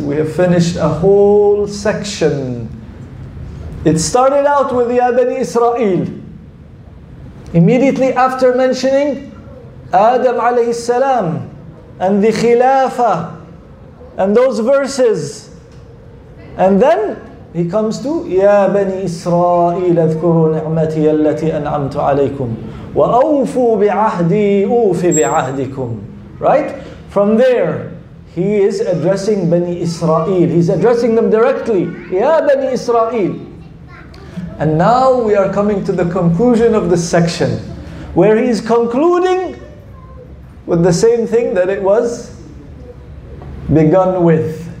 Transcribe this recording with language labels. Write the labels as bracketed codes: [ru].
[en] We have finished a whole section. It started out with [ar] يَا بَنِي إِسْرَائِيلَ, [en] immediately after mentioning Adam alayhi salam and the Khilafah and those verses. And then he comes to [ar] يَا بَنِي إِسْرَائِيلَ اذْكُرُوا نِعْمَتِيَ الَّتِي أَنْعَمْتُ عَلَيْكُمْ وَأَوْفُوا بِعَهْدِي أُوفِ بِعَهْدِكُمْ. [en] Right? From there, he is addressing Bani Israel. He's addressing them directly. [ar] يَا بَنِي إِسْرَائِيلَ. [en] And now we are coming to the conclusion of this section, where he is concluding with the same thing that it was begun with.